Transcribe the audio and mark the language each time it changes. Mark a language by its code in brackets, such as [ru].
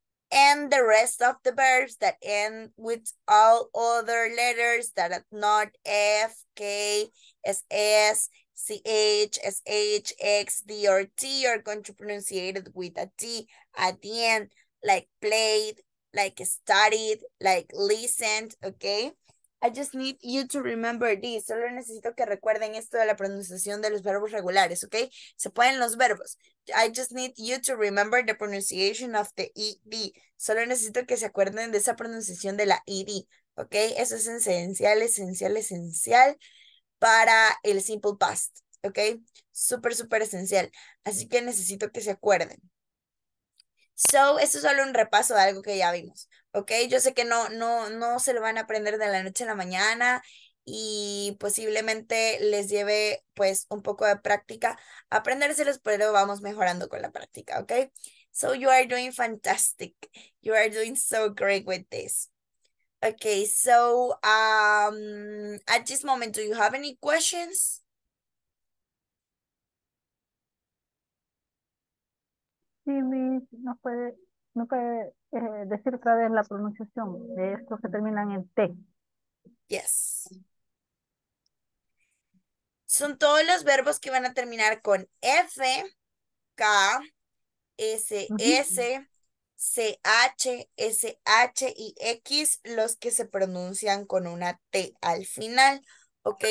[en] And the rest of the verbs that end with all other letters that are not F, K, S, CH, SH, X, D, or T are going to pronunciate it with a T at the end, like played, like studied, like listened, okay? I just need you to remember this. [es] Solo necesito que recuerden esto de la pronunciación de los verbos regulares, okay? Se pueden los verbos. [en] I just need you to remember the pronunciation of the ED. [es] Solo necesito que se acuerden de esa pronunciación de la ED, okay? Eso es esencial, esencial, esencial para el simple past, ¿ok? Súper, súper esencial. Así que necesito que se acuerden. So, esto es solo un repaso de algo que ya vimos, ¿ok? Yo sé que no se lo van a aprender de la noche a la mañana y posiblemente les lleve, pues, un poco de práctica aprendérselos, pero vamos mejorando con la práctica, ¿ok? [en] So, you are doing fantastic. You are doing so great with this. Okay, so at this moment, do you have any questions? [es] Sí, Miss, ¿nos puede decir otra vez la pronunciación de estos que terminan en T? [en] Yes. [es] Son todos los verbos que van a terminar con F, K, S, S, CH, SH y X, los que se pronuncian con una T al final, ¿ok?